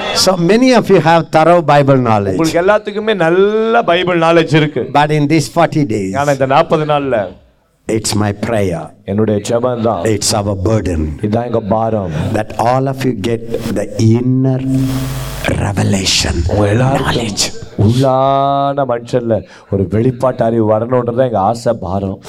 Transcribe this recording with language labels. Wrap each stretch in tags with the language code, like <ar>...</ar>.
<en>So many of you have thorough Bible knowledge.</en> <ta>உங்களுக்கு எல்லாத்துக்குமே நல்ல பைபிள் knowledge இருக்கு.</ta> <en>But in these 40 days.</en> <ta>நான் இந்த 40 நாள்ல.</ta> <en>It's my prayer.</en> <ta>என்னுடைய ஜெபம்தான்.</ta> <en>It's our burden.</en> <ta>இதாங்க பாரம்.</ta> <en>That all of you get the inner revelation. உள்ளாலேஜ்.</en> <ta>உள்ளான மனுஷல்ல ஒரு வெளிப்பாட்டு அறிவு வரணும்ன்றதா எங்க ஆசை பாரம்.</ta>